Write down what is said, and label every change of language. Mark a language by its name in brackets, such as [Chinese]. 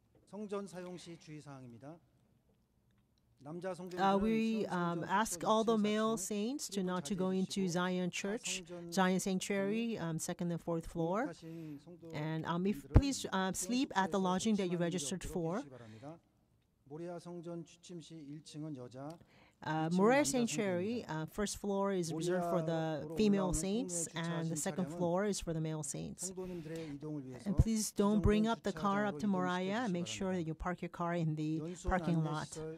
[Korean] 성전 사용 시 주의 사항입니다. 남자 성도들은 [English] ask all the male saints to not to go into Zion Church, Zion Sanctuary, second and fourth floor. And if please sleep at the lodging that you registered for. [Korean] 모리아 성전 취침 시 1층은 여자. [English] Moriah Sanctuary, first floor is reserved for the female saints, and the second floor is for the male saints. And please don't bring up the car up to Moriah. Make sure that you park your car in the parking lot.